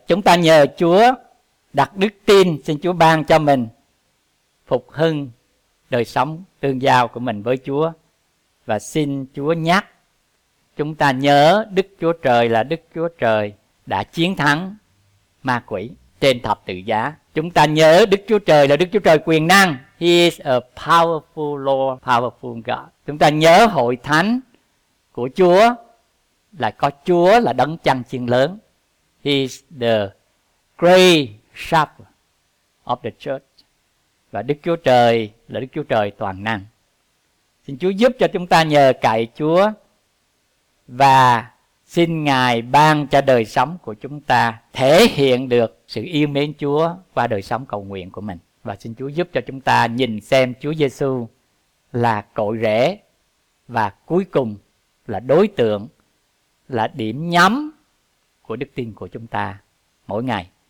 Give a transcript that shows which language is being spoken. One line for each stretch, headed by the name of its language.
Vietnamese: Chúng ta nhờ Chúa đặt đức tin, xin Chúa ban cho mình phục hưng đời sống tương giao của mình với Chúa. Và xin Chúa nhắc chúng ta nhớ Đức Chúa Trời là Đức Chúa Trời đã chiến thắng ma quỷ trên thập tự giá. Chúng ta nhớ Đức Chúa Trời là Đức Chúa Trời quyền năng.
English: He is a powerful Lord, powerful God.
Vietnamese: Chúng ta nhớ hội thánh của Chúa là có Chúa là đấng chăn chiên lớn.
English: He is the great shepherd of the church.
Vietnamese: Và Đức Chúa Trời là Đức Chúa Trời toàn năng. Xin Chúa giúp cho chúng ta nhờ cậy Chúa và xin Ngài ban cho đời sống của chúng ta thể hiện được sự yêu mến Chúa qua đời sống cầu nguyện của mình. Và xin Chúa giúp cho chúng ta nhìn xem Chúa Giê-xu là cội rễ và cuối cùng là đối tượng, là điểm nhắm của đức tin của chúng ta mỗi ngày.